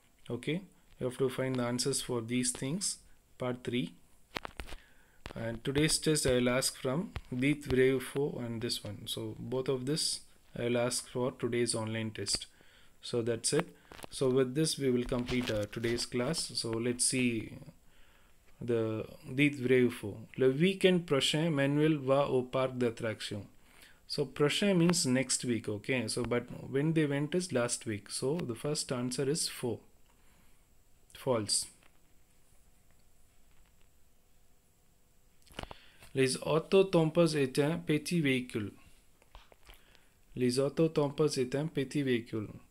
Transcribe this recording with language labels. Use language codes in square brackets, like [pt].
[en] Okay, you have to find the answers for these things, part 3. And today's test I will ask from Beat Brave 4 and this one. So both of this I will ask for today's online test. So that's it. So with this we will complete today's class. So let's see the Beat Brave 4. [fr] Le weekend prochain, Manuel va au parc d'attraction. [en] So prochain means next week. Okay. So but when they went is last week. So the first answer is 4. False. [fr] Les autotompes est un petit véhicule. Les autotompes est un petit véhicule.